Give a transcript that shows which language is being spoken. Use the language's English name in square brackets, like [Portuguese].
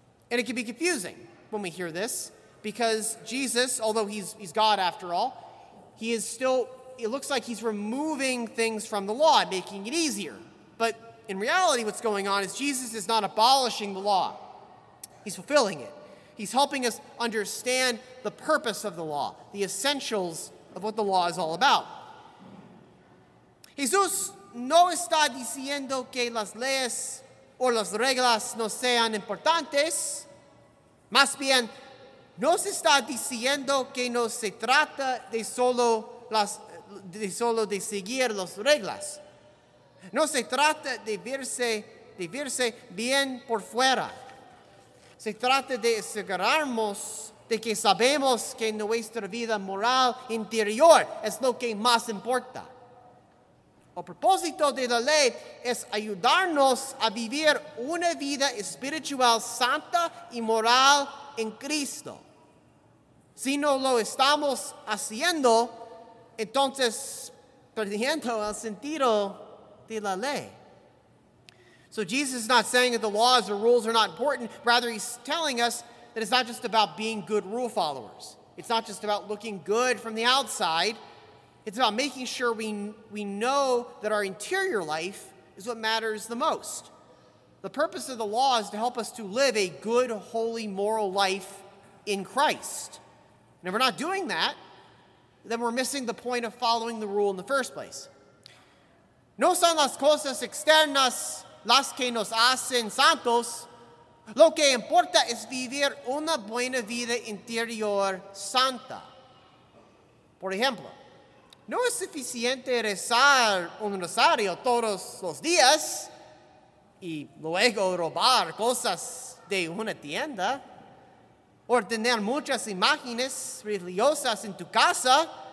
[English] And it can be confusing when we hear this, because Jesus, although he's God after all, he is still, it looks like he's removing things from the law, making it easier. But in reality, what's going on is Jesus is not abolishing the law. He's fulfilling it. He's helping us understand the purpose of the law, the essentials of what the law is all about. [Spanish] Jesús no está diciendo que las leyes o las reglas no sean importantes. Más bien, no se está diciendo que no se trata de solo seguir las reglas. No se trata de verse bien por fuera. Se trata de asegurarnos de que sabemos que nuestra vida moral interior es lo que más importa. El propósito de la ley es ayudarnos a vivir una vida espiritual santa y moral en Cristo. Si no lo estamos haciendo, entonces perdiendo el sentido de la ley. [English] So Jesus is not saying that the laws or rules are not important. Rather, he's telling us that it's not just about being good rule followers. It's not just about looking good from the outside, It's about making sure we know that our interior life is what matters the most. The purpose of the law is to help us to live a good, holy, moral life in Christ. And if we're not doing that, then we're missing the point of following the rule in the first place. [Spanish] No son las cosas externas las que nos hacen santos. Lo que importa es vivir una buena vida interior santa. Por ejemplo, no es suficiente rezar un rosario todos los días y luego robar cosas de una tienda, o tener muchas imágenes religiosas en tu casa,